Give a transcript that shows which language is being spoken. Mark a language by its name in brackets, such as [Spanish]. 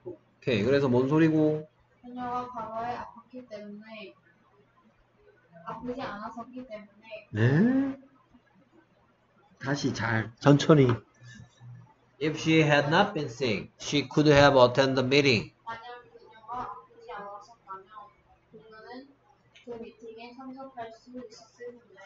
[Korean] 오케이, 그래서 뭔 소리고? 그녀가 과거에 아팠기 때문에 아프지 않았었기 때문에 네? 다시 잘 천천히 [English] If she had not been sick, she could have attended the meeting. [Korean] 만약 그녀가 아프지 않았었다면 그녀는 그 미팅에 참석할 수 있었을 텐데